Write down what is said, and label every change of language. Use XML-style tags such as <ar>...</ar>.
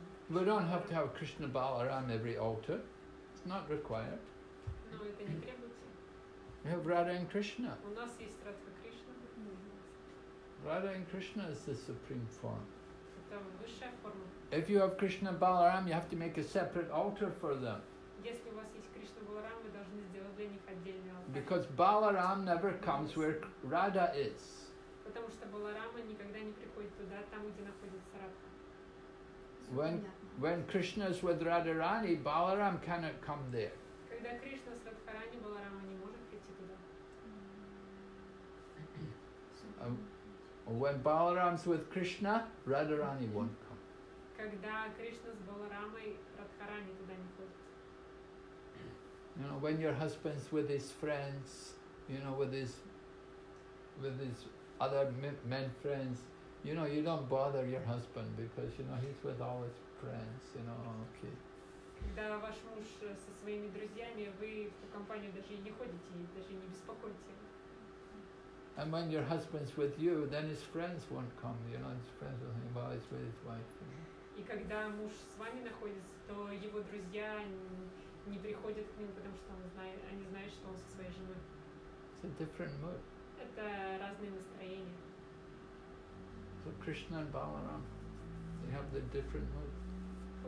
<en>We don't have to have Krishna Balaram every altar. It's not required. No,</en> <ru>это не требуется.</ru> <en>We have Radha and Krishna.</en> <ru>У нас есть Радха Кришна.</ru> <en>Radha and Krishna is the supreme form.</en> <ru>Это высшая форма.</ru> <en>If you have Krishna and Balaram, you have to make a separate altar for them.</en> <ru>Если у вас есть Кришна и Баларам, вы должны сделать для них отдельный алтарь.</ru> <en>Because Balaram never comes where Radha is.</en> <ru>Потому что Баларама никогда не приходит туда, там где находится Радха.</ru> <en>When Krishna is with Radharani, Balaram cannot come there.</en> <ru>Когда Кришна с Радхарани, Баларама не может прийти туда.</ru> <en>When Balaram's with Krishna, Radharani won't come.</en> <ru>Когда Кришна с Баларамой, Радхарани туда не ходит.</ru> <en>You know, when your husband's with his friends, you know, with his other men friends, you know, you don't bother your husband because, you know, he's with all his friends, you know, okay.</en> <ru>Когда ваш муж со своими друзьями, вы в ту компанию даже и не ходите, даже не беспокойте.</ru> <en>And when your husband's with you, then his friends won't come, you know, his friends will think, well, he's with his wife. You know?</en> <ru>И когда муж с вами находится, то его друзья не приходят к нему, потому что они знают, что он со своей женой.</ru> <en>It's a different mood.</en> <ru>Это разные настроения.</ru> <en>So Krishna and Balaram, they have the different mood.</en>